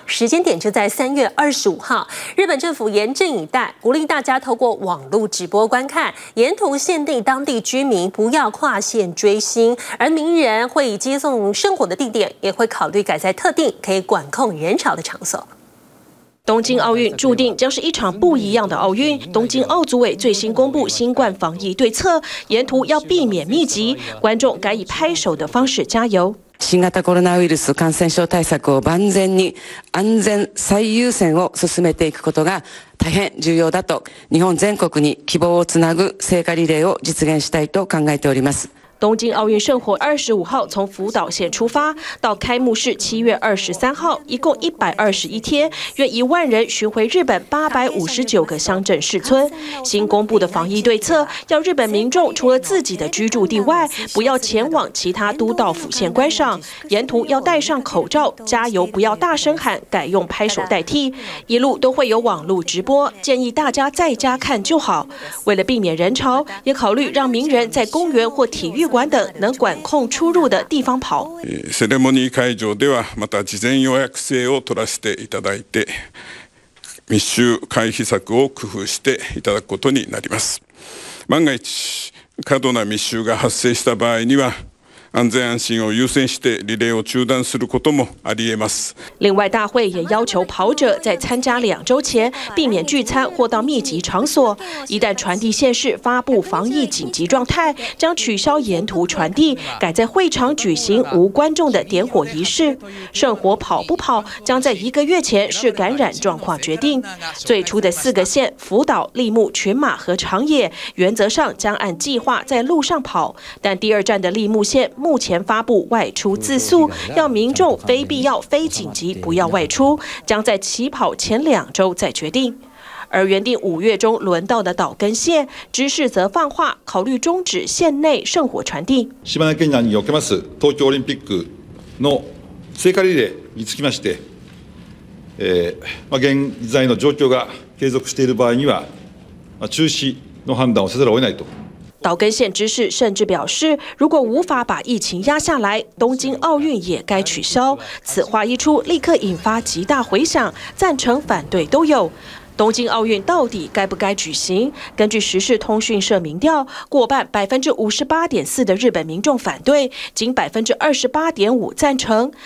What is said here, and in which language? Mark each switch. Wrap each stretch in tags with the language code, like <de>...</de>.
<zh>时间点就在3月25号，日本政府严阵以待，鼓励大家透过网络直播观看，沿途限定当地居民不要跨线追星，而名人会以接送圣火的地点也会考虑改在特定可以管控人潮的场所。东京奥运注定将是一场不一样的奥运。东京奥组委最新公布新冠防疫对策，沿途要避免密集，观众该以拍手的方式加油。</zh> <ja>新型コロナウイルス感染症対策を万全に、安全最優先を進めていくことが大変重要だと、日本全国に希望をつなぐ聖火リレーを実現したいと考えております。</ja> <zh>东京奥运圣火25号从福岛县出发，到开幕式7月23号，一共121天，约10000人巡回日本859个乡镇市村。新公布的防疫对策要日本民众除了自己的居住地外，不要前往其他都道府县观赏，沿途要戴上口罩，加油不要大声喊，改用拍手代替，一路都会有网络直播，建议大家在家看就好。为了避免人潮，也考虑让名人在公园或体育旅館等能管控出入的地方跑。</zh> <ja>セレモニー会場ではまた事前予約制を取らせていただいて、密集回避策を工夫していただくことになります。万が一過度な密集が発生した場合には。安全安心を優先してリレーを中断することもありえます。</ja> <zh>另外，大会也要求跑者在参加2周前避免聚餐或到密集场所。一旦传递县市发布防疫紧急状态，将取消沿途传递，改在会场举行无观众的点火仪式。圣火跑不跑，将在1个月前视感染状况决定。最初的4个县福岛、立木、群马和长野，原则上将按计划在路上跑，但第二站的立木县。目前发布外出自诉，要民众非必要、非紧急不要外出，将在起跑前2周再决定。而原定5月中轮到的岛根县，知事则放话，考虑终止县内圣火传递。</zh> <ja>島根県におけます東京オリンピックの聖火リレーにつきまして、現在の状況が継続している場合には、中止の判断をせざるを得ないと。</ja> <zh>岛根县知事甚至表示，如果无法把疫情压下来，东京奥运也该取消。此话一出，立刻引发极大回响，赞成反对都有。东京奥运到底该不该举行？根据时事通讯社民调，过半58.4%的日本民众反对，仅28.5%赞成。</zh>